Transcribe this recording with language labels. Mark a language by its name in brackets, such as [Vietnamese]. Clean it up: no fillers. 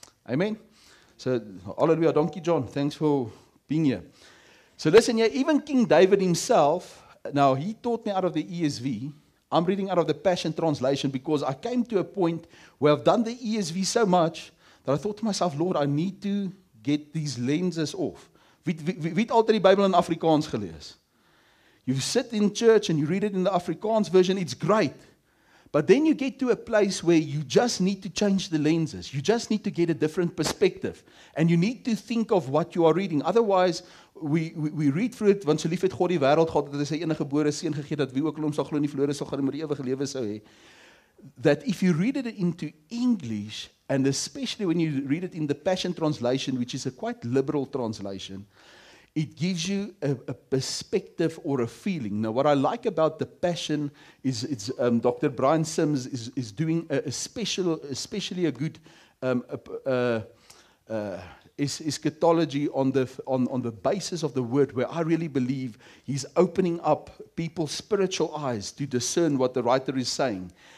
[English] Amen? So, hallelujah, Donkey John. Thanks for being here. So listen, yeah, even King David himself, now he taught me out of the ESV. I'm reading out of the Passion Translation because I came to a point where I've done the ESV so much that I thought to myself, Lord, I need to get these lenses off. [Afrikaans] Wie het altyd die Bybel in Afrikaans gelees? [English] You sit in church and you read it in the Afrikaans version, it's great. But then you get to a place where you just need to change the lenses. You just need to get a different perspective. And you need to think of what you are reading. Otherwise, we read through it, [Afrikaans] want so lief het God die wêreld gehad, dat hy sy enige gebore seun gegee het, dat wie ook al hom sal glo nie verlore sal gaan, maar ewige lewe sou hê. [English] That if you read it into English, and especially when you read it in the Passion Translation, which is a quite liberal translation, it gives you a perspective or a feeling. Now, what I like about the Passion is it's Dr. Brian Sims is doing eschatology on the basis of the word, where I really believe he's opening up people's spiritual eyes to discern what the writer is saying.